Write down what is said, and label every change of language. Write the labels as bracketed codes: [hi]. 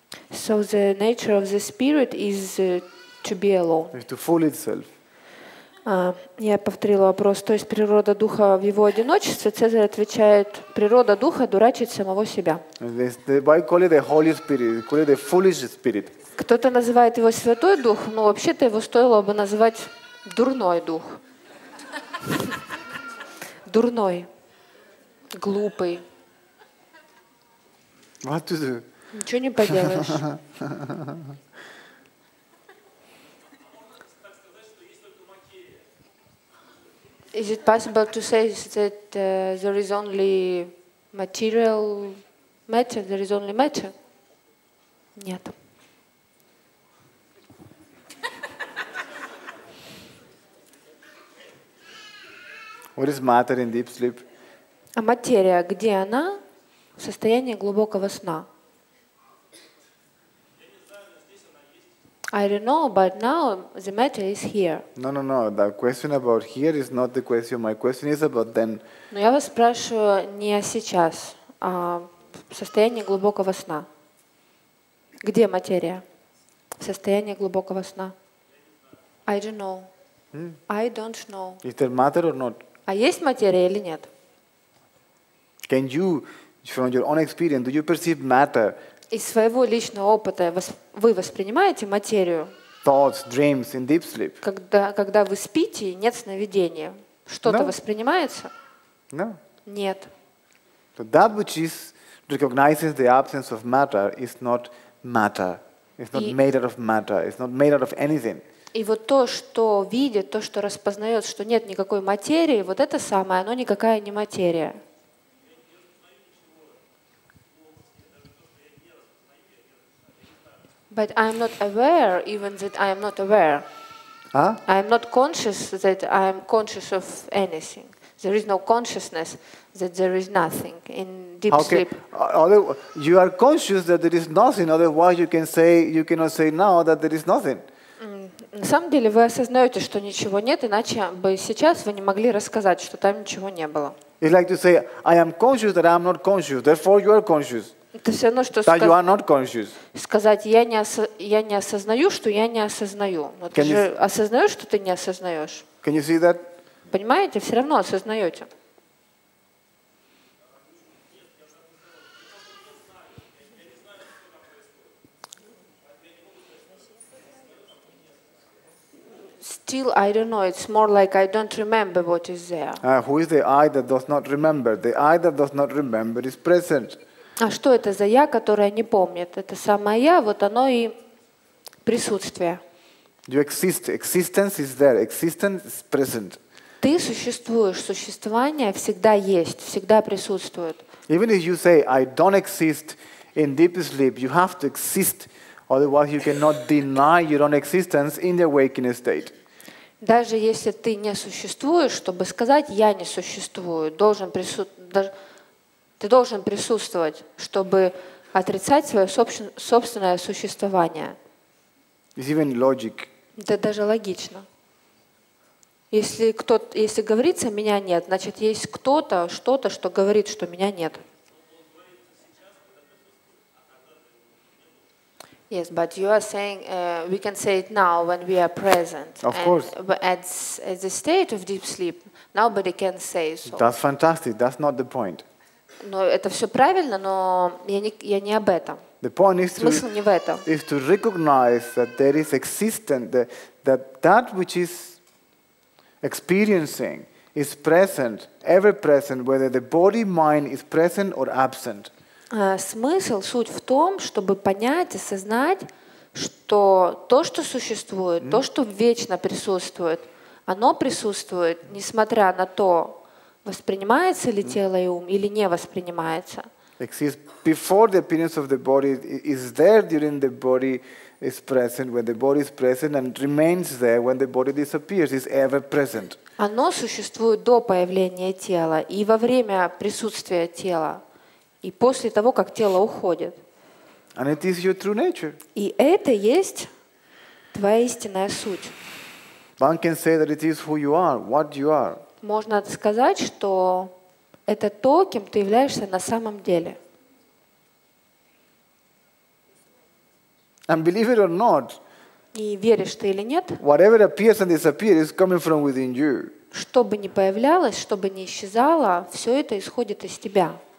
[en] So the nature of the spirit is to be alone. To fool itself. [ru] Я повторила вопрос. То есть природа духа в его одиночестве. Цезарь отвечает: природа духа дурачит самого себя. [en] Why call it the Holy Spirit? Call it the foolish spirit. [ru] Кто-то называет его Святой Дух, но вообще-то его стоило бы называть дурной дух. Дурной. Глупый. [en] What to do? [ru] Ничего не поделаешь. [en] Is it possible to say that there is only material matter? There is only matter? [ru] Нет. [en] What is matter in deep sleep? [ru] А материя, где она? В состоянии глубокого сна. [en] I don't know, but now the matter is here. No. The question about here is not the question. My question is about then. [ru] Но я вас спрашиваю не о сейчас, а в состоянии глубокого сна. Где материя? В состоянии глубокого сна. [en] I don't know. Hmm? I don't know. Is there matter or not? [ru] А есть материя или нет? [en] Can you, from your own experience, do you perceive matter? [ru] Из своего личного опыта вы воспринимаете материю? [en] Thoughts, dreams in deep sleep. [ru] Когда вы спите, нет сновидения. Что-то воспринимается? [en] No. [ru] Нет. [en] So that which is recognizes the absence of matter is not matter. It's not made out of matter. It's not made out of anything. [ru] И вот то, что видит, то, что распознает, что нет никакой материи, вот это самое, оно никакая не материя. [en] But I am not aware, even that I am not aware. Huh? I am not conscious that I am conscious of anything. There is no consciousness that there is nothing in deep sleep. Okay. You are conscious that there is nothing. Otherwise, you cannot say now that there is nothing. [ru] На самом деле вы осознаете, что ничего нет, иначе бы сейчас вы не могли рассказать, что там ничего не было. [en] It's like to say, I am conscious that I am not conscious. Therefore, you are conscious. [ru] Это все равно, что сказать, я не осознаю, что я не осознаю. Но ты же осознаешь, что ты не осознаешь. [en] Can you see that? [ru] Понимаете, все равно осознаете. [en] Still, I don't know. It's more like I don't remember what is there. Who is the I that does not remember? The I that does not remember is present. [ru] А что это за я, которое не помнит? Это самое я, вот оно и присутствие. [en] You exist. Existence is there. Existence is present. [ru] Ты существуешь. Существование всегда есть, всегда присутствует. [en] Even if you say I don't exist in deep sleep, you have to exist, otherwise you cannot deny your own existence in the awakened state. [ru] Даже если ты не существуешь, чтобы сказать я не существую, должен присутствовать. Ты должен присутствовать, чтобы отрицать свое собственное существование. [en] It's even logic. [ru] Это даже логично. Если кто-то, если говорится «меня нет», значит, есть кто-то, что-то, что говорит, что меня нет. [en] Yes, but you are saying we can say it now when we are present. Of course. And at the state of deep sleep, nobody can say so. That's fantastic. That's not the point. [ru] Но это все правильно, но я не об этом. [en] The point is [ru] смысл [en] to, [ru] не в этом. [en] Is to recognize that there is existent, that which is experiencing is present, ever present, whether the body mind is present or absent. [ru] Смысл, суть в том, чтобы понять, осознать, что то, что существует, то, что вечно присутствует, оно присутствует, несмотря на то. Воспринимается ли тело и ум или не воспринимается? [en] Exists before the appearance of the body, is there during the body is present, when the body is present and remains there when the body disappears, is ever present. [ru] Оно существует до появления тела и во время присутствия тела и после того, как тело уходит. [en] And it is your true nature. [ru] И это есть твоя истинная суть. [en] One can say that it is who you are, what you are. [ru] Можно сказать, что это то, кем ты являешься на самом деле. [en] And believe it or not, [ru] и веришь ты или нет, [en] whatever appears and disappears is coming from within you. [ru] Что бы ни появлялось, что бы ни исчезало, все это исходит из тебя.